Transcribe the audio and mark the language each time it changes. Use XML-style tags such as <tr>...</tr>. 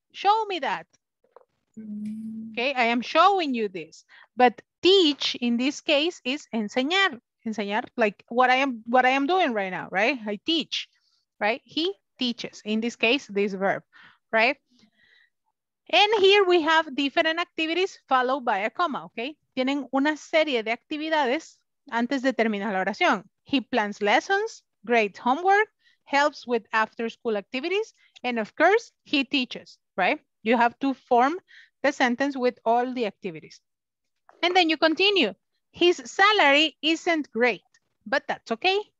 <en>Show me that. Okay, I am showing you this. But teach in this case is enseñar. Enseñar, like what I am doing right now, right? I teach, right? He teaches, in this case, this verb, right? And here we have different activities followed by a comma, okay?</en> <es>Tienen una serie de actividades antes de terminar la oración.</es> <en>He plans lessons, grades homework, helps with after school activities, and of course, he teaches, right? You have to form the sentence with all the activities. And then you continue. His salary isn't great, but that's okay.</en>